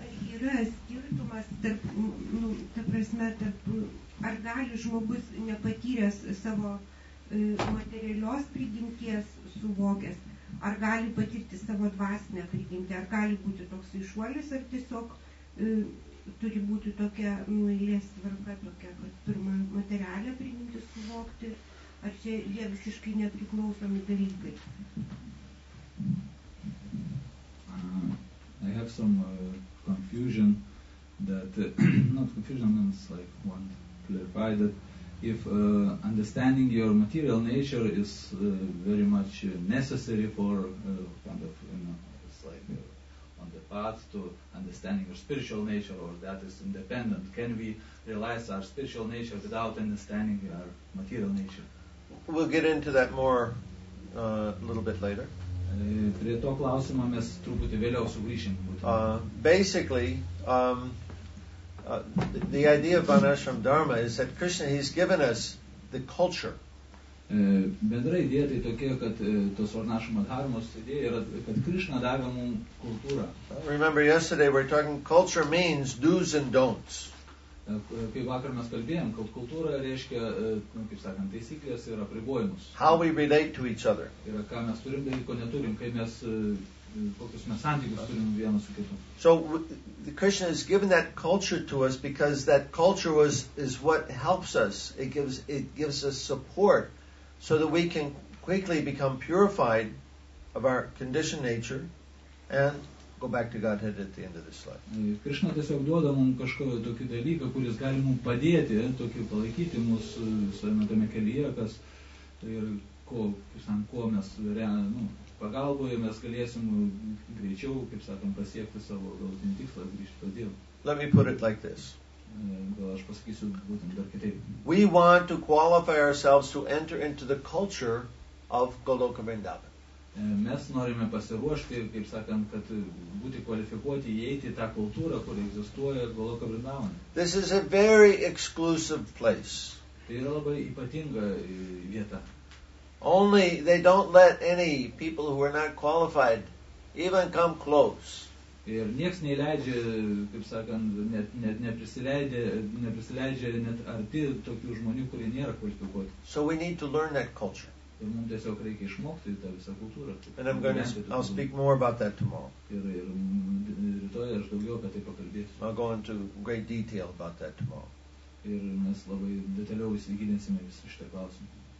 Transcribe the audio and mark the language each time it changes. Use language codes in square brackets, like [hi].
[lt] Yra skirtumas tarp, nu, ta prasme, tarp, ar gali žmogus nepatyręs savo materialios prigimties suvokęs, ar gali patirti savo dvasinę prigimtį, ar gali būti toks išuolis, ar tiesiog turi būti tokia eilės tvarka, tokia, kad pirmą materialią prigimtį suvokti, ar čia jie visiškai nepriklausomi dalykai. [en] I have some confusion that not confusion means like want to clarify that if understanding your material nature is very much necessary for kind of, you know, it's like on the path to understanding your spiritual nature, or that is independent, can we realize our spiritual nature without understanding our material nature? We'll get into that more a little bit later. [lt] Prie to klausimo mes truputį vėliau sugrįšim. [en] Basically, the idea of Vanashram Dharma is that Krishna, he's given us the culture. [lt] Bendra idėja tai tokia, kad tos Vanashram Dharmos idėja yra, kad Krishna davė mums kultūrą. [en] Remember yesterday we were talking, culture means do's and don'ts. [lt] Kaip vakar mes kalbėjom, kad kultūra reiškia, kaip sakant, taisyklės ir apribojimus. [en] How we relate to each other. [lt] Ir ką mes turim daryti, ko neturim, kaip mes, kokius mes santykius turim vienas su kitu. [en] So, Krishna has given that culture to us because that culture is what helps us. It gives us support so that we can quickly become purified of our conditioned nature and go back to Godhead at the end of this life. [lt] Krishna tiesiog duoda mums kažko tokį dalyką, kuris gali mums padėti, tokį palaikyti mūsų savame tame kelyje, kas ir ko, kaip sakant, ko mes pagalboje mes galėsim greičiau, kaip sakant, pasiekti savo galutinį tikslą, grįžti pas Dievą. [en] Let me put it like this. [lt] Gal aš pasakysiu būtent dar kitaip. [en] We want to qualify ourselves to enter into the culture of Goloka Vrindavan. [lt] Mes norime pasiruošti, kaip sakant, kad būti kvalifikuoti įeiti į tą kultūrą, kur egzistuoja Goloka Vrindavan. [en] This is a very exclusive place. [lt] Tai yra labai ypatinga vieta. [en] Only they don't let any people who are not qualified even come close. [lt] Ir nieks neįleidžia, kaip sakant, neprisileidžia net arti tokių žmonių, kurie nėra kvalifikuoti. [en] So we need to learn that culture. [lt] Ir mums tiesiog reikia išmokti tą visą kultūrą. [en] And I'm going to speak more about that tomorrow. [lt] Ir rytoj aš daugiau apie tai pakalbėsiu. [en] I'll go into great detail about that tomorrow. [lt] Ir mes labai detaliau įsigilinsime visą šitą klausimą.